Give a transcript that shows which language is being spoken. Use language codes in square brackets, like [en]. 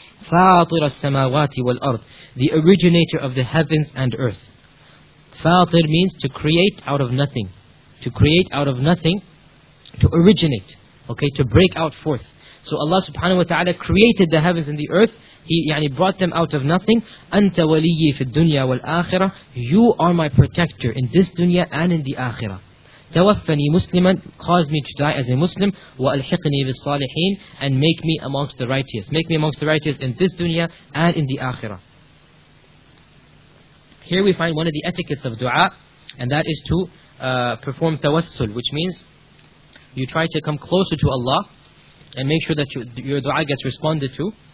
[ar] فاطر السماوات والأرض, [en] the originator of the heavens and earth. فاطر means to create out of nothing, to create out of nothing, to originate, okay, to break out forth. So Allah subhanahu wa ta'ala created the heavens and the earth. He يعني, brought them out of nothing. [ar] أنت ولي في الدنيا والآخرة. [en] You are my protector in this dunya and in the akhirah. [ar] توفني مسلما, [en] cause me to die as a Muslim. [ar] وألحقني بالصالحين, [en] and make me amongst the righteous. Make me amongst the righteous in this dunya and in the akhirah. Here we find one of the etiquettes of dua, and that is to perform tawassul, which means you try to come closer to Allah and make sure that your dua gets responded to.